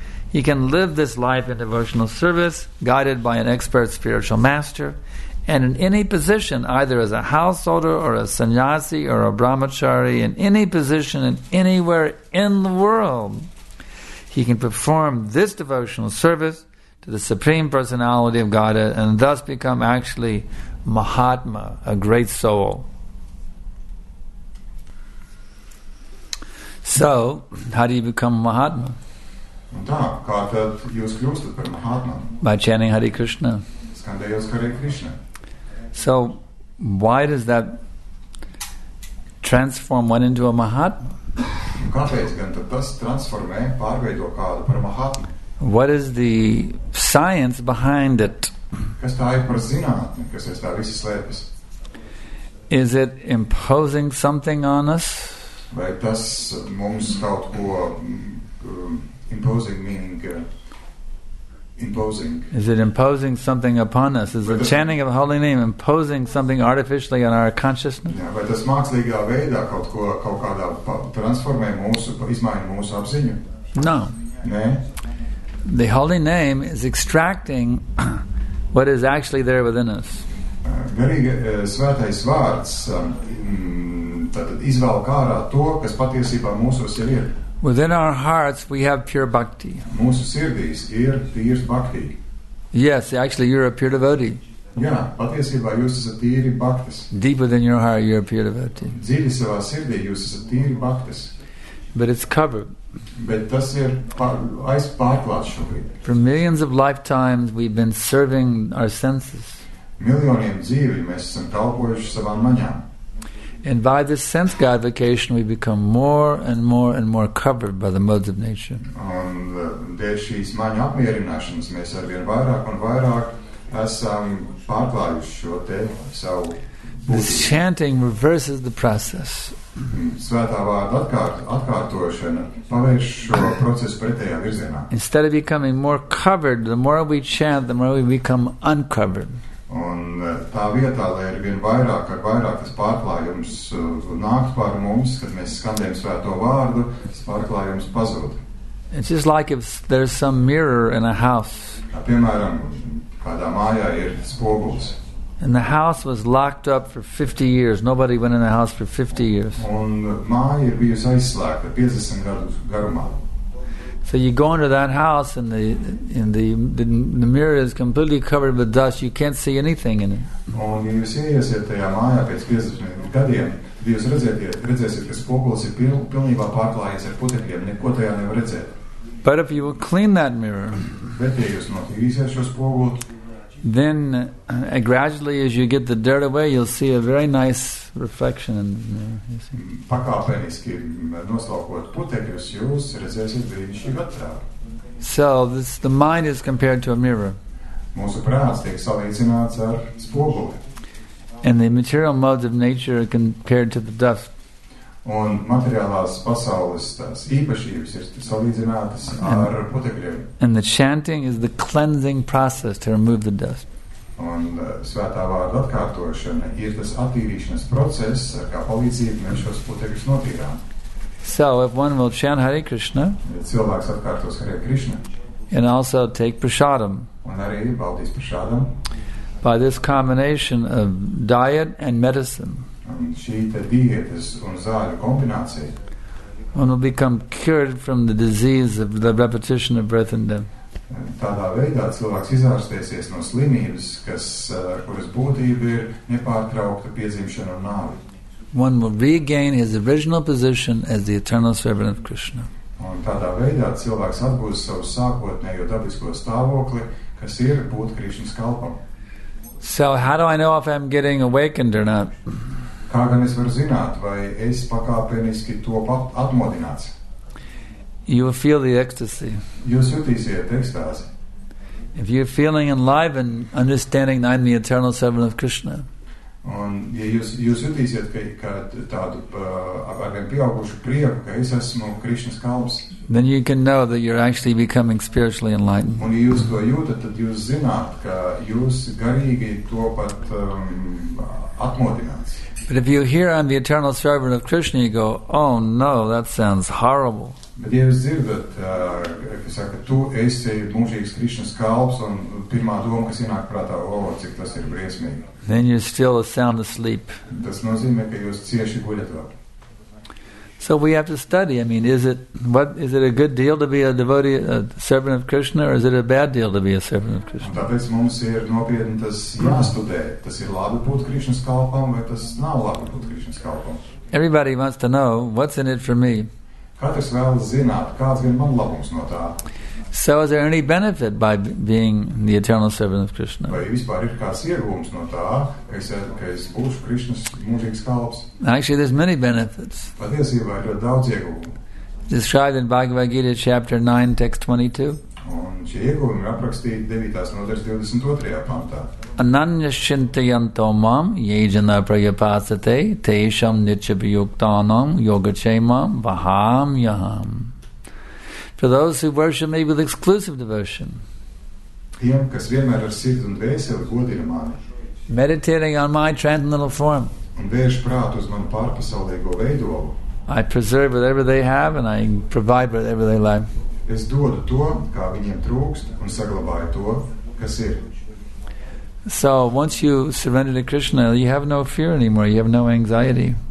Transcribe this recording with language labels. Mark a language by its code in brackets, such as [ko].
[en] He can live this life in devotional service, guided by an expert spiritual master, and in any position, either as a householder or a sannyasi or a brahmachari, in any position and anywhere in the world, he can perform this devotional service to the Supreme Personality of Godhead and thus become actually Mahatma, a great soul. So, how do you become a Mahatma? [lv] Tā, kā tad jūs kļūstat par Mahatma? [en] By chanting Hare Krishna. [lv] Skandējos Hare Krishna. [en] So, why does that transform one into a Mahatma? [lv] Kāpēc gan tad tas transformē, pārveido kādu par Mahatma? [en] What is the science behind it? [lv] Kas tā ir par zinātni, kas es tā visi slēpis? [en] Is it imposing something on us? [lv] Vai tas mums kaut ko [en] Imposing meaning imposing. Is it imposing something upon us? Is the chanting of the holy name imposing something artificially on our consciousness? [lv] Jā, vai tas mākslīgā veidā kaut kādā transformē mūsu, izmaina mūsu apziņu? [en] No. [lv] Nē. [en] The holy name is extracting what is actually there within us. [lv] Garīgi svētais vārds tātad izvēl kārā to, kas patiesībā mūsos jau ir. [en] Within our hearts, we have pure bhakti. [lv] Mūsu sirdīs ir tīrs bhakti. [en] Yes, actually, you're a pure devotee. [lv] Jā, patiesībā jūs esat tīri bhaktis. [en] Deep within your heart, you're a pure devotee. [lv] Dziļi savā sirdī jūs esat tīri bhaktis. [en] But it's covered. [lv] Bet tas ir aizpārklāts šobrīd. [en] For millions of lifetimes, we've been serving our senses. [lv] Miljoniem dzīvi mēs esam kalpojuši savām maņām. [en] And by this sense gratification, we become more and more and more covered by the modes of nature. [lv] Un dēļ šīs maņu apmierināšanas mēs arvien vairāk un vairāk esam pārklājuši šo te savu būtību. [en] This chanting reverses the process. [lv] Svētā vārda atkārtošana pavērš šo procesu pretējā virzienā. [en] Instead of becoming more covered, the more we chant, the more we become uncovered. [lv] Un tā vietā, lai ir vien vairāk ar vairāk tas pārklājums nākt par mums, kad mēs skandējam svēto vārdu, tas pārklājums pazūd. [en] It's just like if there's some mirror in a house. [lv] Tā, piemēram, kādā mājā ir spoguls. [en] And the house was locked up for 50 years. Nobody went in the house for 50 years. [lv] Un māja ir bijusi aizslēgta 50 gadu garumā. [en] So you go into that house and the mirror is completely covered with dust. You can't see anything in it. [lv] Un, ja jūs ieiesiet tajā mājā pēc 50 gadiem, tad jūs redzēsiet, ka spogulis ir pilnībā pārklājies ar putekļiem. Neko tajā nevar redzēt. [en] But if you will clean that mirror, [lv] bet, ja jūs notīrīsiet šo spoguli, [en] then gradually as you get the dirt away, you'll see a very nice reflection in the mirror. [lv] Pakāpeniski noslaukot putekļus, jūs redzēsiet brīnišķīgu attēlu. [en] So this, the mind is compared to a mirror. [lv] Mūsu prāts tiek salīdzināts ar spoguli. [en] And the material modes of nature are compared to the dust. [lv] Un materiālās pasaules tās īpašības ir salīdzinātas ar putekļiem. [en] And the chanting is the cleansing process to remove the dust. [lv] Un svētā vārda atkārtošana ir tas attīrīšanas process, kā palīdzību mēs šos putekļus notīrām. [en] So, if one will chant Hare Krishna, [lv] cilvēks atkārtos Hare Krishna, [en] and also take prasādam, [lv] un arī baudīs prasādam, [en] by this combination of diet and medicine, [lv] šīta diētas un zāļu kombinācija. [en] One will become cured from the disease of the repetition of birth and death. [lv] Tādā veidā cilvēks izārstēsies no slimības, kuras būtība ir nepārtraukta piedzimšana un nāve. [en] One will regain his original position as the eternal servant of Krishna. [lv] Un tādā veidā cilvēks atgūs savu sākotnējo dabisko stāvokli, kas ir būt Krišnas kalpam. [en] So how do I know if I'm getting awakened or not? [lv] Kā gan es varu zināt, vai es pakāpeniski to pat atmodināts? [en] You will feel the ecstasy. [lv] Jūs jūtīsiet ekstāzi. [en] If you're feeling enlivened, understanding that I'm the eternal servant of Krishna. [lv] Un, ja jūs jūtīsiet, ka tādu arvien pieaugušu prieku, ka es esmu Krišnas kalps. [en] Then you can know that you're actually becoming spiritually enlightened. [lv] Un, ja jūs to jūtat, tad jūs zināt, ka jūs garīgi to pat atmodināts. [en] But if you hear I'm the eternal servant of Krishna, you go, oh no, that sounds horrible. [lv] Bet, ja jūs dzirdat, ka saka, tu esi mūžīgs Krišnas kalps, un pirmā doma, kas ienāk prātā, oh, cik tas ir briesmīgi. [en] Then you're still sound asleep. [lv] Tas nozīmē, ka jūs cieši guļat vēl. [en] So we have to study. I mean, is it a good deal to be a devotee, a servant of Krishna, or is it a bad deal to be a servant of Krishna? [lv] Tāpēc mums ir nopietni tas jāstudē. Tas ir labi būt Krišnas kalpam, vai tas nav labi būt Krišnas kalpam? [en] Everybody wants to know, what's in it for me? [lv] Katrs vēl zināt, kāds gan man labums no tā? [en] So is there any benefit by being the eternal servant of Krishna? [lv] Vai vispār ir kāds iegūms no tā, ka es būšu Krišnas mūžīgs kalps? [en] Actually, there's many benefits. [lv] Patiesībā ir daudz iegūmu. [en] Described in Bhagavad Gita, chapter 9, text 22. [lv] Un šie iegūmi ir aprakstīti 9. nodaļas 22. pantā. [sa] Ananya shintayanto mam yejana prayapasate tesham nichabhyuktanam yogachema vaham yaham. [en] For those who worship me with exclusive devotion. [lv] Tiem, kas vienmēr ar sirdi un dvēseli godina mani. [en] Meditating on my transcendental form. [lv] Un vērš prātu uz manu pārpasaulīgo veidolu. [en] I preserve whatever they have and I provide whatever they lack. [lv] Es dodu to, kā viņiem trūkst, un saglabāju to, kas ir. [en] So once you surrender to Krishna, you have no fear anymore, you have no anxiety.